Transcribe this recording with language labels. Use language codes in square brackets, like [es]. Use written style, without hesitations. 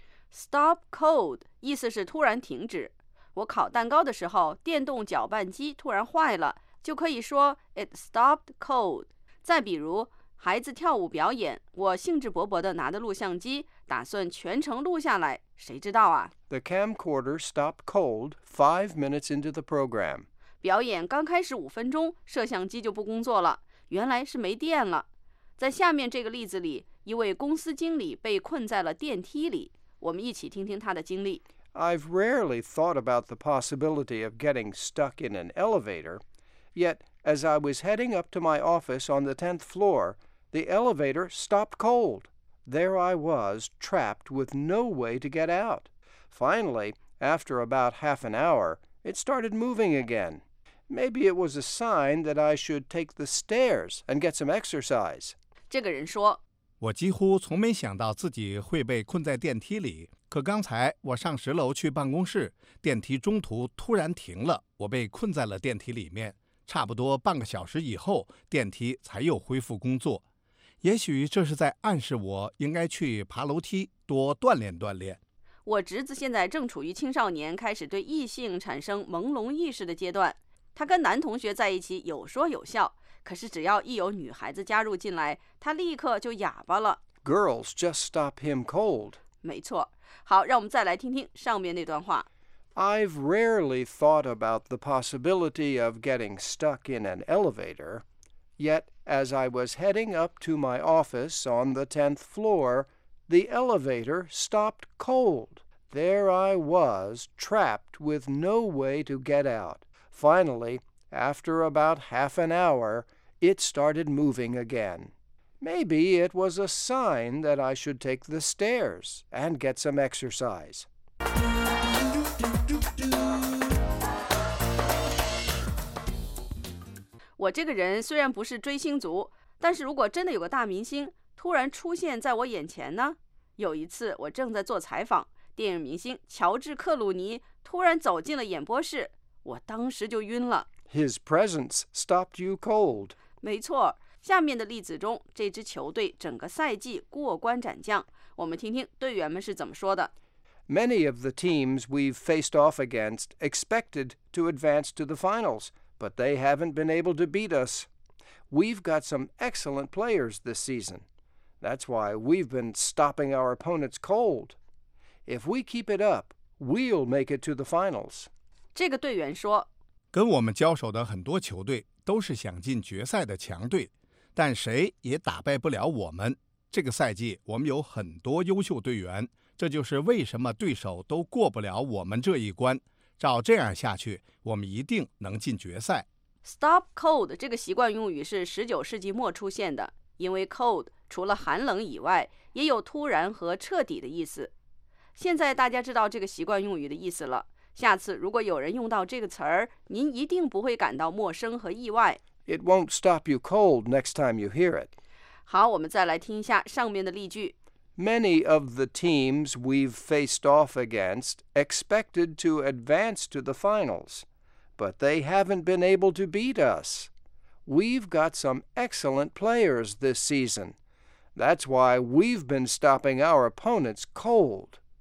[zh] Stop cold 意思是突然停止。我烤蛋糕的时候电动搅拌机突然坏了，就可以说 [en] It stopped cold. [zh] 再比如孩子跳舞表演，我兴致勃勃地拿着录像机打算全程录下来，谁知道啊 [en] The camcorder stopped cold 5 minutes into the program. [zh] 表演刚开始五分钟摄像机就不工作了，原来是没电了。在下面这个例子里，一位公司经理被困在了电梯里，我们一起听听他的经历。 [en] I've rarely thought about the possibility of getting stuck in an elevator, yet as I was heading up to my office on the 10th floor, the elevator stopped cold. There I was, trapped with no way to get out. Finally, after about half an hour, it started moving again. Maybe it was a sign that I should take the stairs and get some exercise. [zh] 这个人说，我几乎从没想到自己会被困在电梯里。可刚才我上十楼去办公室，电梯中途突然停了，我被困在了电梯里面。差不多半个小时以后，电梯才又恢复工作。也许这是在暗示我应该去爬楼梯多锻炼锻炼。我侄子现在正处于青少年开始对异性产生朦胧意识的阶段，他跟男同学在一起有说有笑，可是只要一有女孩子加入进来，他立刻就哑巴了。 [en] Girls just stop him cold. [zh] 没错。好，让我们再来听听上面那段话。 [en] I've rarely thought about the possibility of getting stuck in an elevator, yet as I was heading up to my office on the 10th floor, the elevator stopped cold. There I was, trapped with no way to get out. Finally, after about half an hour, it started moving again. Maybe it was a sign that I should take the stairs and get some exercise. [zh] 我这个人虽然不是追星族，但是如果真的有个大明星突然出现在我眼前呢？有一次我正在做采访，电影明星乔治·克鲁尼突然走进了演播室，我当时就晕了。 [en] His presence stopped you cold. [zh] 没错，下面的例子中这支球队整个赛季过关斩将，我们听听队员们是怎么说的。 [en] Many of the teams we've faced off against expected to advance to the finals, but they haven't been able to beat us. We've got some excellent players this season. That's why we've been stopping our opponents cold. If we keep it up, we'll make it to the finals. [zh] 这个队员说，跟我们交手的很多球队都是想进决赛的强队，但谁也打败不了我们。这个赛季我们有很多优秀队员，这就是为什么对手都过不了我们这一关。照这样下去，我们一定能进决赛。 Stop cold 这个习惯用语是19世纪末出现的，因为 cold 除了寒冷以外也有突然和彻底的意思。现在大家知道这个习惯用语的意思了，下次如果有人用到这个词儿，您一定不会感到陌生和意外。 [en] It won't stop you cold next time you hear it. [zh] 好，我们再来听一下上面的例句。 [en] Many of the teams we've faced off against expected to advance to the finals, but they haven't been able to beat us. We've got some excellent players this season. That's why we've been stopping our opponents cold.